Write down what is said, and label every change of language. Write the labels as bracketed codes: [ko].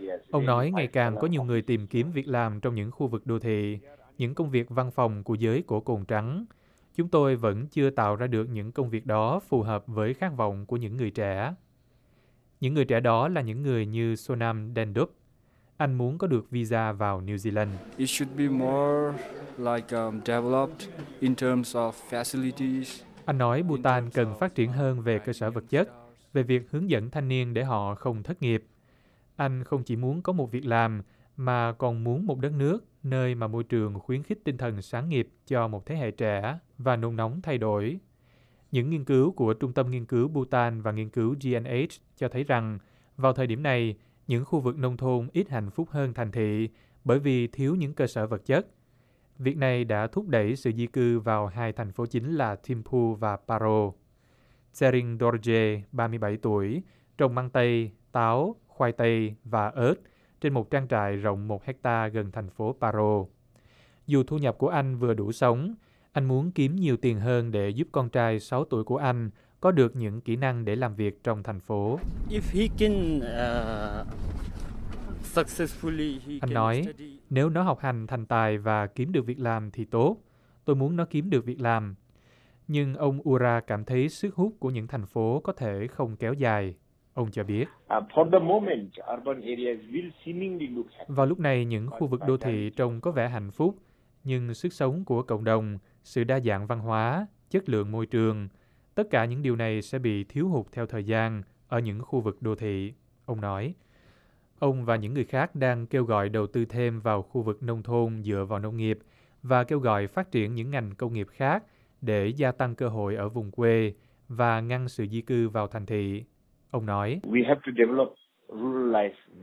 [vi] Ông nói ngày càng có nhiều người tìm kiếm việc làm trong những khu vực đô thị, những công việc văn phòng của giới cổ cồn trắng. Chúng tôi vẫn chưa tạo ra được những công việc đó phù hợp với khát vọng của những người trẻ. Những người trẻ đó là những người như Sonam Dendup. Anh muốn có được visa vào New Zealand. [en] It should be more like developed in terms of facilities. [vi] Anh nói Bhutan cần phát triển hơn về cơ sở vật chất, về việc hướng dẫn thanh niên để họ không thất nghiệp. Anh không chỉ muốn có một việc làm, mà còn muốn một đất nước, nơi mà môi trường khuyến khích tinh thần sáng nghiệp cho một thế hệ trẻ và nôn nóng thay đổi. Những nghiên cứu của Trung tâm Nghiên cứu Bhutan và Nghiên cứu GNH cho thấy rằng, vào thời điểm này, những khu vực nông thôn ít hạnh phúc hơn thành thị bởi vì thiếu những cơ sở vật chất. Việc này đã thúc đẩy sự di cư vào hai thành phố chính là Thimphu và Paro. Tsering Dorje, 37 tuổi, trồng măng tây, táo, khoai tây và ớt trên một trang trại rộng 1 hecta gần thành phố Paro. Dù thu nhập của anh vừa đủ sống, anh muốn kiếm nhiều tiền hơn để giúp con trai 6 tuổi của anh có được những kỹ năng để làm việc trong thành phố. [en] If he can, successfully, he [vi] anh nói, nếu nó học hành thành tài và kiếm được việc làm thì tốt. Tôi muốn nó kiếm được việc làm. Nhưng ông Ura cảm thấy sức hút của những thành phố có thể không kéo dài. Ông cho biết. [en] For the moment, urban areas will seemingly look happy. [vi] Vào lúc này, những khu vực đô thị trông có vẻ hạnh phúc, nhưng sức sống của cộng đồng, sự đa dạng văn hóa, chất lượng môi trường, tất cả những điều này sẽ bị thiếu hụt theo thời gian ở những khu vực đô thị, ông nói. Ông và những người khác đang kêu gọi đầu tư thêm vào khu vực nông thôn dựa vào nông nghiệp và kêu gọi phát triển những ngành công nghiệp khác để gia tăng cơ hội ở vùng quê và ngăn sự di cư vào thành thị. Ông nói, [en] we have to develop rural life,